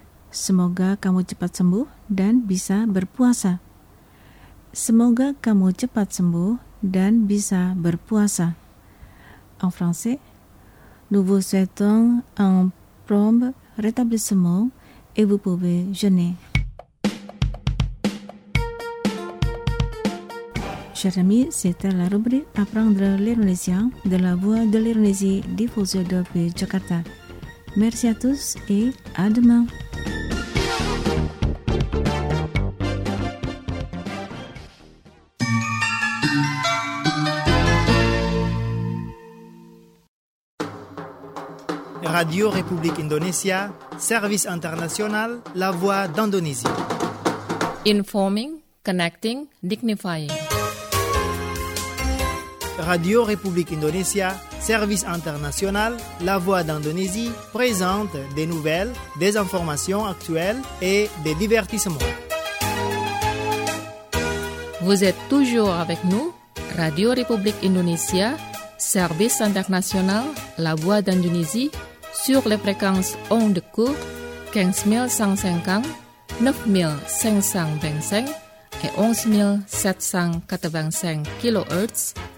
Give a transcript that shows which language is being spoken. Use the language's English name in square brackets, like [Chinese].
[Indonesian] Semoga kamu cepat sembuh dan bisa berpuasa. Semoga kamu cepat sembuh dan bisa berpuasa. [French] En français, nous vous souhaitons un prompt rétablissement et vous pouvez jeûner. Chers amis, c'était la rubrique Apprendre l'Indonésie de la Voix de l'Indonésie diffusée depuis Jakarta. Merci à tous et à demain. Radio République Indonésie, Service international, la Voix d'Indonésie. [English] Informing, connecting, dignifying. [French] Radio République Indonésie, Service international, la Voix d'Indonésie, présente des nouvelles, des informations actuelles et des divertissements. Vous êtes toujours avec nous, Radio République Indonésie, Service international, la Voix d'Indonésie, sur les fréquences ondes courtes 15150, 9525 et 11785 kHz.